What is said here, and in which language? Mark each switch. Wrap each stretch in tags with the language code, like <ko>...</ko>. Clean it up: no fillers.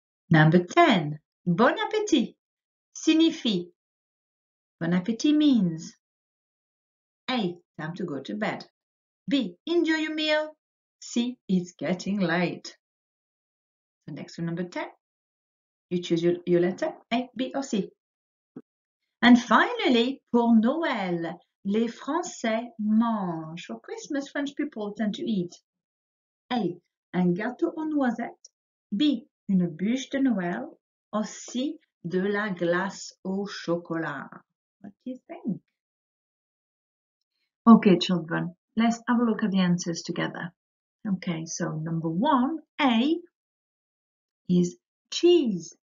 <en>Number 10.</en> <fr>Bon appétit signifie.</fr> <en>Bon appétit means A. Time to go to bed. B. Enjoy your meal. C. It's getting late. So next to number 10, you choose your letter A, B, or C. And finally,</en> <fr>pour Noël, les Français mangent.</fr> <en>For Christmas, French people tend to eat.</en> <fr>A. Un gâteau aux noisettes. B. Une bûche de Noël. Ou C. De la glace au chocolat.</fr> <en>What do you think? Okay, children, let's have a look at the answers together. Okay, so number one, A, is cheese.</en>